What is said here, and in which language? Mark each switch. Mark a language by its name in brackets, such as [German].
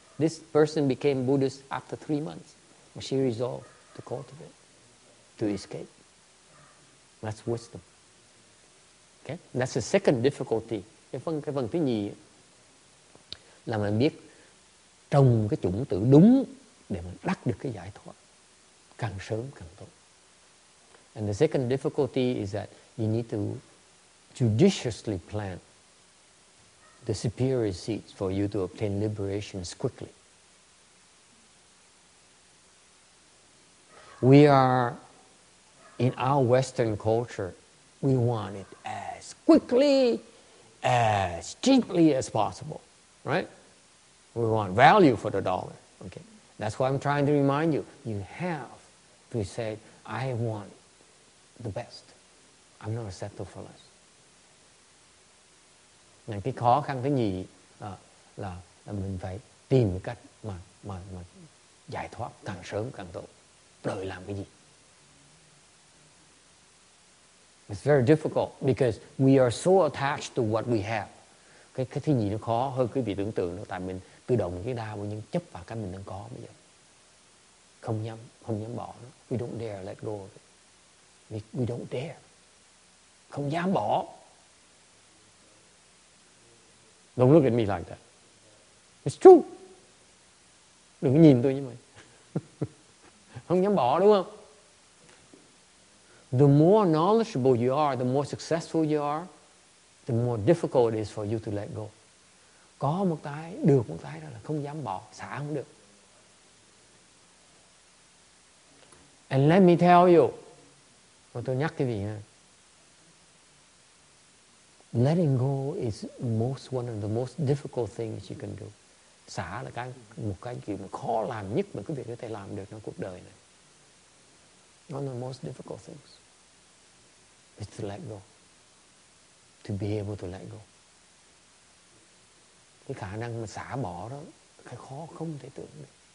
[English] This person became Buddhist after 3 months. And she resolved to cultivate, to escape. That's wisdom. Okay? That's the second difficulty. [Vietnamese] Cái phần thứ nhì ấy, là mình biết trồng cái chủng tử đúng để mình đắc được cái giải thoát. Càng sớm càng tốt. [English] And the second difficulty is that you need to judiciously plant the superior seeds for you to obtain liberations quickly. We are, in our Western culture, we want it as quickly, as cheaply as possible, right? We want value for the dollar, okay? That's why I'm trying to remind you, you have to say, I want the best. I'm not a settle for less. [Vietnamese] Cái khó khăn thứ nhì là mình phải tìm một cách mà giải thoát càng sớm càng tốt. Đợi làm cái gì? [English] It's very difficult because we are so attached to what we have. [Vietnamese] Cái thứ nhì nó khó hơn quý vị tưởng tượng đó, tại mình tự động cái đa với những chấp vào cái mình đang có bây giờ. Không dám bỏ nó. [English] We don't dare let go of it. We don't dare. [Vietnamese] Không dám bỏ. [English] Don't look at me like that. It's true. [Vietnamese] Đừng có nhìn tôi như vậy. Không dám bỏ đúng không? [English] The more knowledgeable you are, the more successful you are, the more difficult it is for you to let go. [Vietnamese] Có một cái, được một cái đó là không dám bỏ, xả không được. [English] And let me tell you, [Vietnamese] mà tôi nhắc cái gì nha. [English] Letting go is one of the most difficult things you can do. [Vietnamese] Xả là cái một cái gì mà khó làm nhất mà quý vị có thể làm được trong cuộc đời này. [English] One of the most difficult things is to let go. To be able to let go. [Vietnamese] Cái khả năng mà xả bỏ đó, cái khó không thể tưởng được.